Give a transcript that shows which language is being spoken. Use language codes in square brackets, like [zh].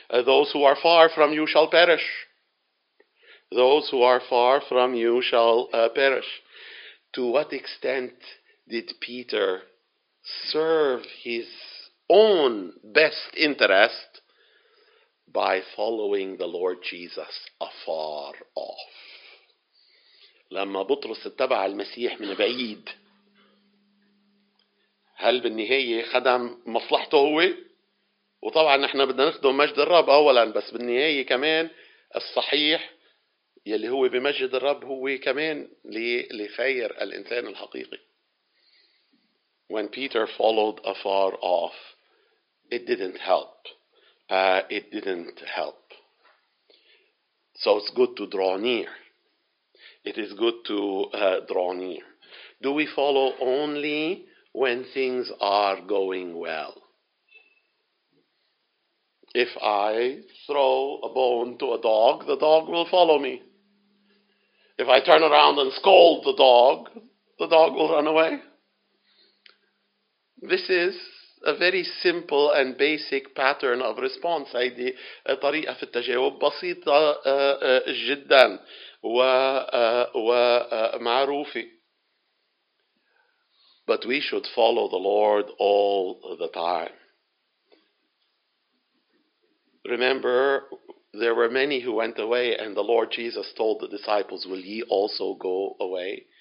[en] Those who are far from you shall perish. Those who are far from you shall perish. To what extent did Peter serve his own best interest by following the Lord Jesus afar off? [ar] لما بطرس اتبع المسيح من بعيد هل بالنهاية خدم مصلحته هو؟ وطبعا احنا بدنا نخدم مجد الرب اولا بس بالنهاية كمان الصحيح يلي هو بمجد الرب هو كمان لخير الانسان الحقيقي. [en] When Peter followed afar off, it didn't help. It didn't help. So it's good to draw near. It is good to draw near. Do we follow only when things are going well? If I throw a bone to a dog, the dog will follow me. If I turn around and scold the dog will run away. This is a very simple and basic pattern of response. [ar] هيدي طريقة في التجاوب بسيطة جدا. ومعروفي. [en] But we should follow the Lord all the time. Remember, there were many who went away, and the Lord Jesus told the disciples, will ye also go away?